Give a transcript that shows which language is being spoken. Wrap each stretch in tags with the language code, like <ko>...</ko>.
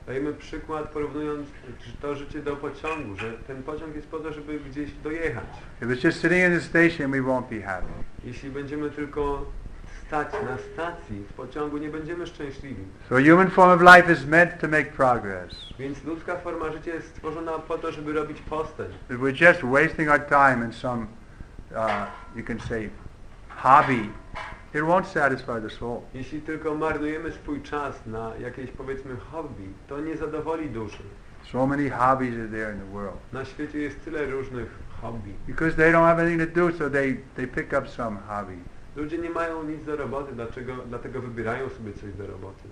<pl>Dajemy przykład porównując to życie do pociągu, że ten pociąg jest po to, żeby gdzieś dojechać.</pl> <en>If it's just sitting in the station, we won't be happy.</en> <pl>Jeśli będziemy tylko stać na stacji w pociągu, nie będziemy szczęśliwi.</pl> <en>So human form of life is meant to make progress.</en> <pl>Więc ludzka forma życia jest stworzona po to, żeby robić postęp.</pl> <en>If we're just wasting our time in some, you can say, hobby, it won't satisfy the soul.</en> <pl>Jeśli tylko marnujemy swój czas na jakieś, powiedzmy, hobby, to nie zadowoli duszy.</pl> <en>So many hobbies are there in the world.</en> <pl>Na świecie jest tyle różnych hobby.</pl> <en>Because they don't have anything to do, so they pick up some hobby.</en> <pl>Ludzie nie mają nic do roboty, dlatego wybierają sobie coś do roboty.</pl>